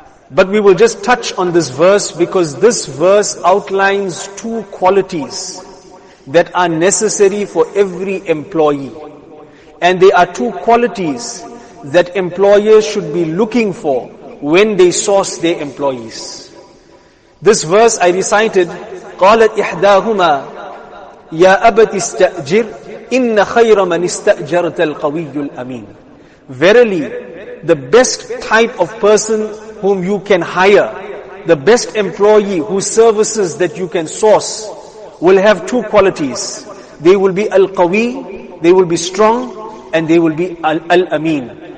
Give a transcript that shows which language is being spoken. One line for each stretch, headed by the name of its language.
English: But we will just touch on this verse because this verse outlines two qualities that are necessary for every employee. And there are two qualities that employers should be looking for when they source their employees. This verse I recited,
Arabic: قَالَتْ إِحْدَاهُمَا يَا أَبَتِ اسْتَأْجِرْ إِنَّ خَيْرَ مَنِ اسْتَأْجَرْتَ الْقَوِيُّ الْأَمِينَ.
English: Verily, the best type of person whom you can hire, the best employee whose services that you can source, will have two qualities. They will be al-qawi, they will be strong, and they will be al-ameen.